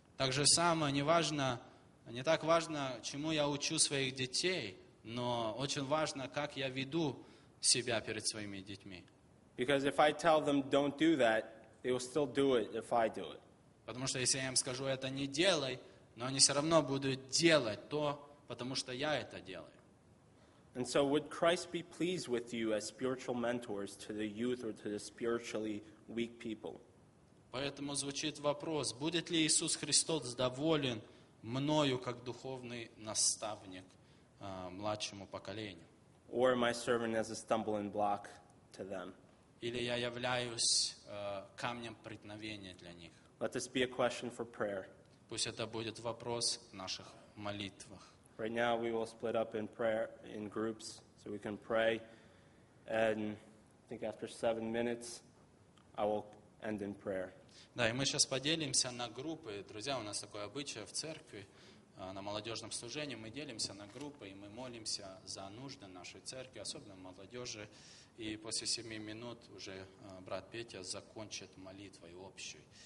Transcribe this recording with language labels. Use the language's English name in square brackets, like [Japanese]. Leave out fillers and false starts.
[Russian] Так же самое, не так важно, чему я учу своих детей, но очень важно, как я веду себя перед своими детьми. [English] Because if I tell them don't do that, they will still do it if I do it. [Russian] Потому что если я им скажу это не делай, но они все равно будут делать то, потому что я это делаю. [English] And so would Christ be pleased with you as spiritual mentors to the youth or to the spiritually weak people? [Russian] Поэтому звучит вопрос, будет ли Иисус Христос доволен мною как духовный наставник младшему поколению? [English] Or am I serving as a stumbling block to them? [Russian] Или я являюсь камнем преткновения для них? [English] Let this be a question for prayer. [Russian] Пусть это будет вопрос в наших молитвах. [English] Right now we will split up in prayer in groups so we can pray. And I think after 7 minutes I will end in prayer. [Russian] Да, и мы сейчас поделимся на группы. Друзья, у нас такое обычай в церкви, на молодежном служении. Мы делимся на группы, и мы молимся за нужды нашей церкви, особенно молодежи. И после 7 минут уже брат Петя закончит молитвой общей.